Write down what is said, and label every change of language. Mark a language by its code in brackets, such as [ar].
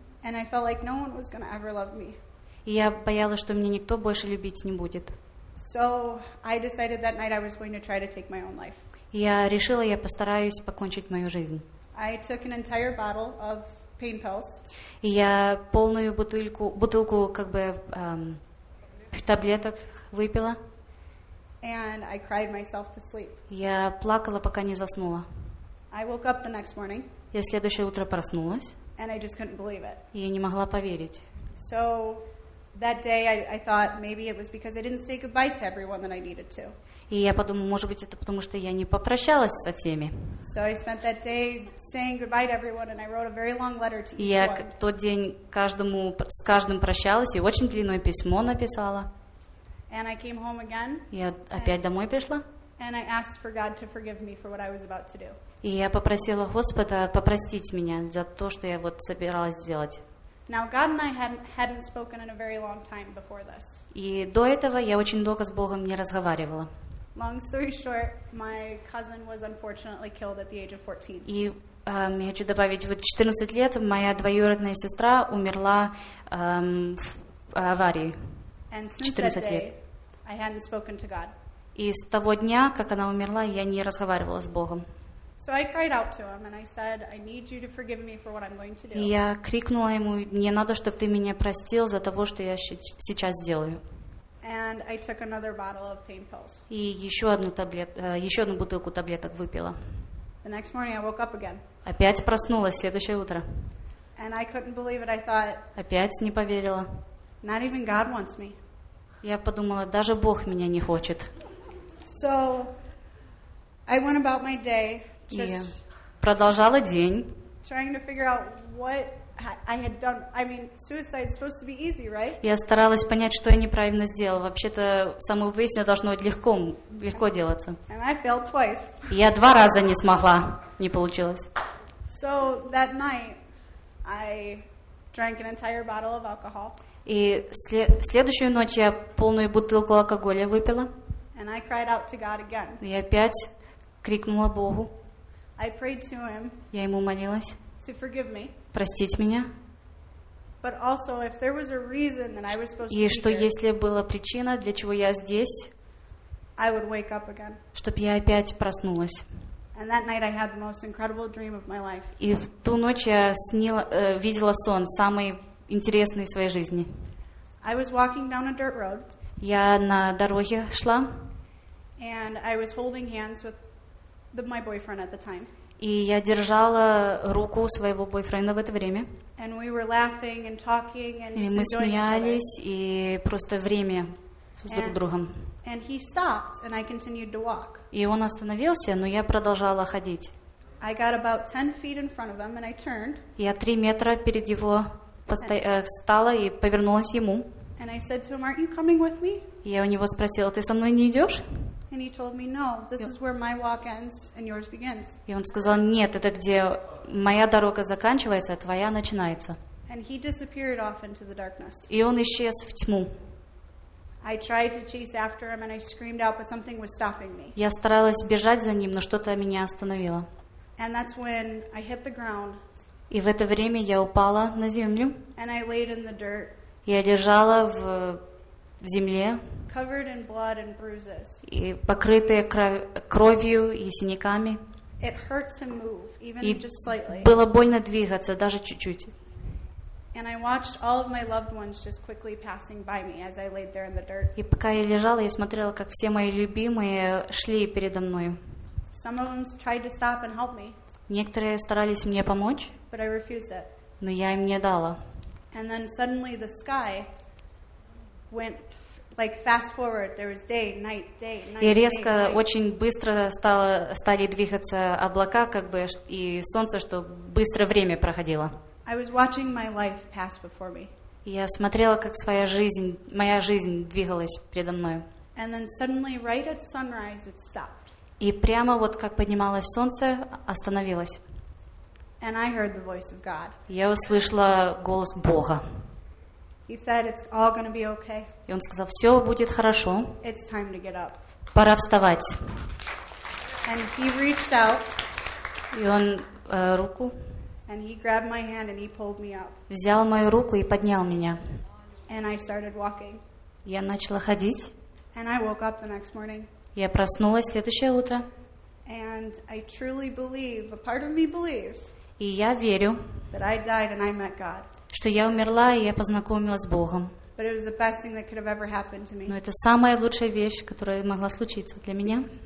[en] And I felt like no one was going to ever love me. [ru] И я боялась, что меня никто больше любить не будет. [en] So I decided that night I was going to try to take my own life. [ru] Я решила, я постараюсь покончить мою жизнь. [en] I took an entire bottle of pain pills. [ru] И я полную бутылку как бы таблеток выпила. [en] And I cried myself to sleep. [ru] Я плакала, пока не заснула. [en] I woke up the next morning. [ru] Я следующее утро проснулась. [en] And I just couldn't believe it. [ru] И я не могла поверить. [en] So that day I thought maybe it was because I didn't say goodbye to everyone that I needed to. [ru] И я подумала, может быть, это потому, что я не попрощалась со всеми. [en] So I spent that day saying goodbye to everyone and I wrote a very long letter to each one. [ru] Я тот день с каждым прощалась и очень длинное письмо написала. [en] And I came home again. [ru] Я опять домой пришла. [en] And I asked for God to forgive me for what I was about to do. [ru] И я попросила Господа попростить меня за то, что я вот собиралась сделать. [en] Now God and I hadn't spoken in a very long time before this. [ru] И до этого я очень долго с Богом не разговаривала. [en] Long story short, my cousin was unfortunately killed at the age of 14. [ru] И я хочу добавить, вот 14 лет моя двоюродная сестра умерла в аварии. [en] And since that day, I hadn't spoken to God. [ru] И с того дня, как она умерла, я не разговаривала с Богом. [en] So I cried out to him and I said, I need you to forgive me for what I'm going to do. [ru] Я крикнула ему, мне надо, чтобы ты меня простил за то, что я сейчас сделаю. [en] And I took another bottle of pain pills. [ru] И ещё одну бутылку таблеток выпила. [en] The next morning I woke up again. [ru] Опять проснулась следующее утро. [en] And I couldn't believe it. I thought, [ru] опять не поверила. [en] Not even God wants me. [ru] Я подумала, даже Бог меня не хочет. [en] So I went about my day. [ru] Я продолжала день. [en] Trying to figure out what I had done. I mean, suicide is supposed to be easy, right? [ru] Я старалась понять, что я неправильно сделала. Вообще-то самоубийство должно быть легко делаться. [en] And I failed twice. [ru] Я два раза не смогла, не получилось. [en] So that night I drank an entire bottle of alcohol. [ru] И следующую ночь я полную бутылку алкоголя выпила. [en] And I cried out to God again. [ru] И опять крикнула Богу. [en] I prayed to him. [ru] Я ему молилась. [en] To forgive me. [ru] Простить меня. [en] But also, if there was a reason that I was supposed to be here. [ru] И что если была причина, для чего я здесь? [en] I would wake up again. [ru] Чтоб я опять проснулась. [en] And that night I had the most incredible dream of my life. [ru] И в ту ночь я видела сон самый интересный в своей жизни. [en] I was walking down a dirt road. [ru] Я на дороге шла. [en] And I was holding hands with my boyfriend at the time. [ru] И я держала руку своего бойфренда в это время. [en] And we were laughing and talking and [ru] мы смеялись, и просто время [en] And he stopped, and I continued to walk. [ru] И он остановился, но я продолжала ходить. [en] I got about 10 feet in front of him, and I turned. [ru] Я 3 метра перед его встала и повернулась ему. [en] And I said to him, "Aren't you coming with me?" [ru] Я у него спросила, "Ты со мной не идешь?" [en] And he told me, "No, this is where my walk ends and yours begins." [ru] И он сказал, "Нет, это где моя дорога заканчивается, а твоя начинается." [en] And he disappeared off into the darkness. [ru] И он исчез в тьму. [en] I tried to chase after him and I screamed out, but something was stopping me. [ru] Я старалась бежать за ним, но что-то меня остановило. [en] And that's when I hit the ground. [ru] И в это время я упала на землю. [en] And I laid in the dirt. [ru] Я лежала в земле. [en] Covered in blood and bruises. [ru] И покрытая кровью и синяками. [en] It hurt to move, even just slightly. [ru] Было больно двигаться, даже чуть-чуть. [en] And I watched all of my loved ones just quickly passing by me as I laid there in the dirt. [ru] И пока я лежала, я смотрела, как все мои любимые шли передо мною. [en] Some of them tried to stop and help me. [ru] Некоторые старались мне помочь. [en] But I refused it. [ru] Но я им не дала. [en] And then suddenly the sky went like fast forward. There was day, night, day, night. [ru] И резко, очень быстро стали двигаться облака, как бы и солнце, что быстро время проходило. [en] I was watching my life pass before me. [ru] Я смотрела, как своя жизнь, моя жизнь двигалась передо мной. [en] And then suddenly, right at sunrise, it stopped. [ru] И прямо вот как поднималось солнце, остановилось. [en] And I heard the voice of God. [ru] Я услышала голос Бога. [en] He said, "It's all going to be okay." [ru] И он сказал, все будет хорошо. [en] It's time to get up. [ru] Пора вставать. [en] And he reached out. [ru] И он руку. [en] And he grabbed my hand and he pulled me up. [ru] Взял мою руку и поднял меня. [en] And I started walking. [ru] Я начала ходить. [en] And I woke up the next morning. [ru] Я проснулась следующее утро. [en] And I truly believe, a part of me believes. [ru] И я верю. [en] That I died and I met God. [ru] Что я умерла и я познакомилась с Богом. [en] But it was the best thing that could have ever happened to me. [ru] Но это самая лучшая вещь, которая могла случиться для меня.